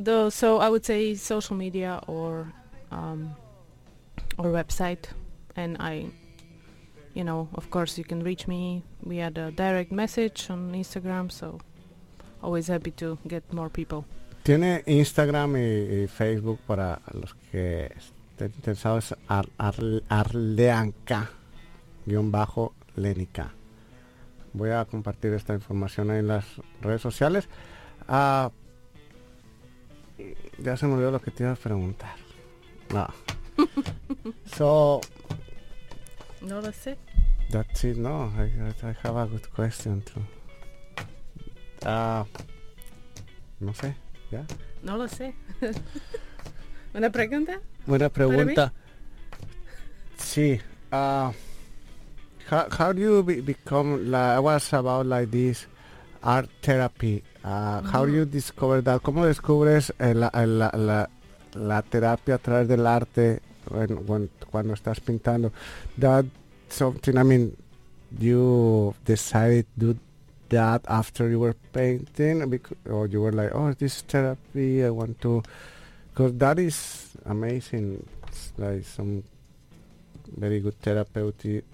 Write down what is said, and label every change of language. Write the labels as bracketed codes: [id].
[en] So I would say social media or website, and I, you know, of course you can reach me via the direct message on Instagram. So always happy to get more people. [es] Tiene Instagram y Facebook para los que estén interesados. Arleanca. Lenica. Voy a compartir esta información ahí en las redes sociales. Ya se me olvidó lo que te iba a preguntar. No. No lo sé. [en] That's it. No, I have a good question too. [es] No sé. Ya. No lo sé. ¿Buena pregunta? Buena pregunta. Sí. [en] How do you become, like, I was about like this art therapy. How do you discover that? [es] ¿Cómo descubres la terapia a través del arte cuando estás pintando? [en] That something, I mean, you decided to do that after you were painting, or you were like, oh, this is therapy, I want to, because that is amazing. It's like some very good therapeutic,